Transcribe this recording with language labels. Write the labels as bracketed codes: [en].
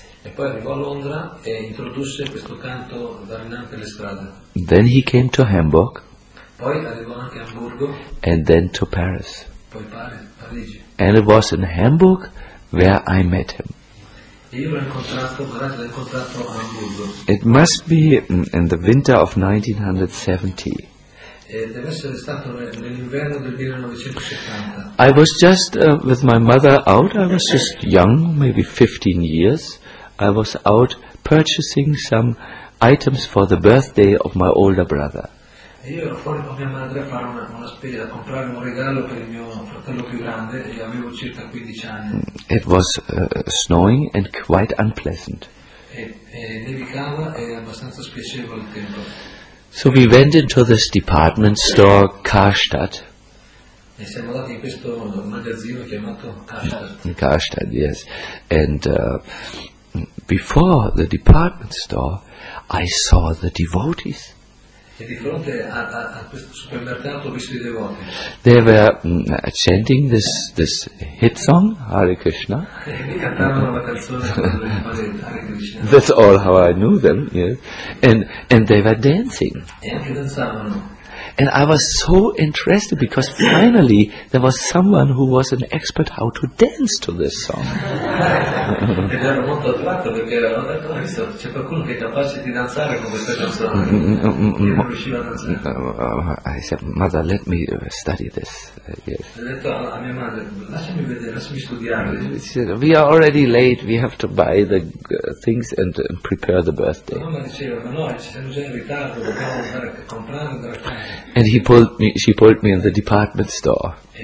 [it] E poi arrivò a Londra e introdusse questo canto varinante le strade. [en] Then he came to Hamburg. [it] Poi arrivò anche a Hamburgo. [en] And then to Paris. [it] Poi Parigi. [en] And it was in Hamburg where I met him. [it] E io l'ho incontrato a Hamburgo. [en] It must be in the winter of 1970. [it] Deve essere stato nell'inverno del 1970. [en] I was just with my mother out. I was just young, maybe 15 years. I was out purchasing some items for the birthday of my older brother. [it] Io ero fuori con mia madre a fare una spesa, a comprare un regalo per il mio fratello più grande, e avevo circa 15 anni. [en] It was snowing and quite unpleasant. [it] E nevicava e abbastanza spiacevole il tempo. [en] So we went into this department store, Karstadt. [it] E siamo andati in questo magazzino chiamato [en] Karstadt, yes. And before the department store, I saw the devotees. [it] E di fronte a questo supermercato ho visto i devoti. [en] They were chanting this hit song, Hare Krishna. [it] E cantavano la canzone Hare Krishna. [en] That's all how I knew them, yes. And they were dancing. [it] E anche danzavano. [en] And I was so interested because finally there was someone who was an expert how to dance to this song. [it] Ed ero molto attratto perché ho detto, visto, c'è qualcuno che è capace di danzare con questa canzone. [en] I said, Mother, let me study this. Yes. [it] Ho detto a mia madre, lasciami vedere, lasciami studiare. [en] She said, we are already late, we have to buy the things and prepare the birthday. [it] Mamma diceva, ma no, ci siamo già in ritardo, dobbiamo andare a comprare. [en] And she pulled me in the department store.